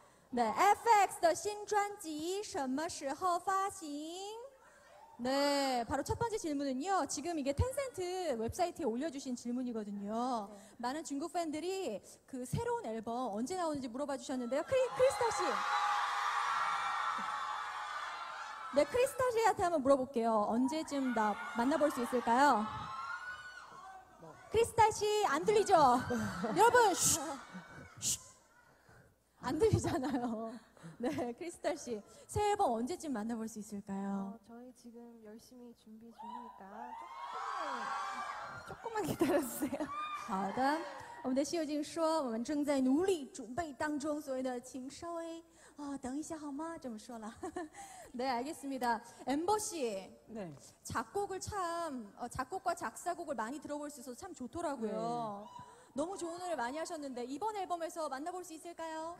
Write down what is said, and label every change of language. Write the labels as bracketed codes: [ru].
[ko] 네, [zh] FX 신 专辑 什么时候 发行? [ko] 네, 바로 첫 번째 질문은요. 지금 이게 텐센트 웹사이트에 올려주신 질문이거든요. 많은 중국 팬들이 그 새로운 앨범 언제 나오는지 물어봐 주셨는데요. 크리스탈 씨. 네, 크리스탈 씨한테 한번 물어볼게요. 언제쯤 나 만나볼 수 있을까요? 크리스탈 씨, 안 들리죠? 여러분, 쉿! 안 들리잖아요. 네, 크리스탈 씨, 새 앨범 언제쯤 만나볼 수 있을까요? 저희 지금 열심히 준비 중이니까 조금만 기다려주세요. [zh] 好的，我们的西游记说我们正在努力准备当中，所以呢，请稍微等一下好吗？这么说了。 [ko] 네, 알겠습니다. 엠버 씨, 네. 작곡을 참 작곡과 작사곡을 많이 들어볼 수 있어서 참 좋더라고요. 너무 좋은 노래 많이 하셨는데 이번 앨범에서 만나볼 수 있을까요?